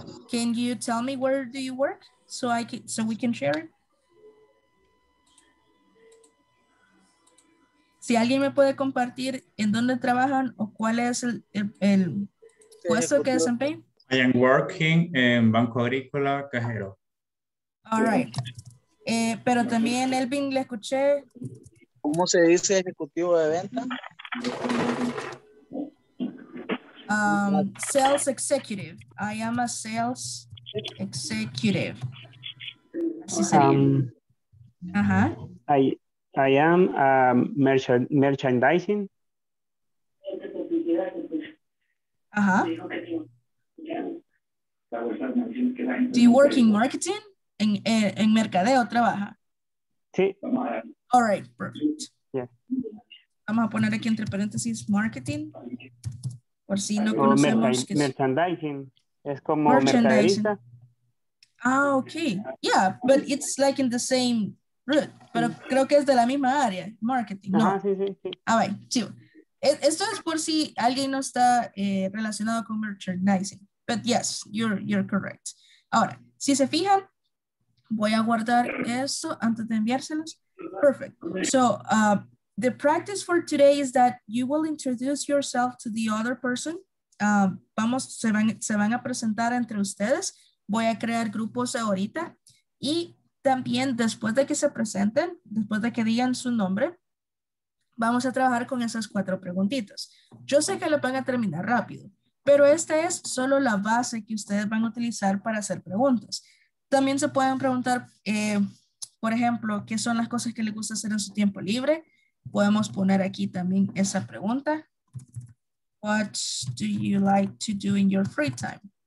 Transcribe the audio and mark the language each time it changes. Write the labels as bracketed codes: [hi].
[en] Can you tell me where do you work so I can, so we can share it? [es] Si alguien me puede compartir en dónde trabajan o cuál es el puesto que desempeñan. [en] I am working in Banco Agrícola Cajero. All right. [es] Pero también, Elvin, le escuché. ¿Cómo se dice ejecutivo de venta? [en] Sales executive. I am a sales executive. [es] Así sería. Ajá. [en] I am a merchandising. [es] Ajá. [en] Do you work in marketing? [es] En mercadeo trabaja. Sí. [en] All right, perfect. Yeah. [es] Vamos a poner aquí entre paréntesis marketing. Por si no conocemos. Merchandising. Es como mercadista. Ah, ok. [en] Yeah, but it's like in the same root. [es] Pero creo que es de la misma área. Marketing, ¿no? Ajá, sí, sí, sí. Ah, bye. Sí. Esto es por si alguien no está relacionado con merchandising. [en] But yes, you're correct. [es] Ahora, si se fijan, voy a guardar eso antes de enviárselos. [en] Perfect. So, the practice for today is that you will introduce yourself to the other person. [es] Se van a presentar entre ustedes. Voy a crear grupos ahorita. Y también después de que se presenten, después de que digan su nombre, vamos a trabajar con esas cuatro preguntitas. Yo sé que lo van a terminar rápido, pero esta es solo la base que ustedes van a utilizar para hacer preguntas. También se pueden preguntar, por ejemplo, ¿qué son las cosas que les gusta hacer en su tiempo libre? Podemos poner aquí también esa pregunta. [en] What do you like to do in your free time?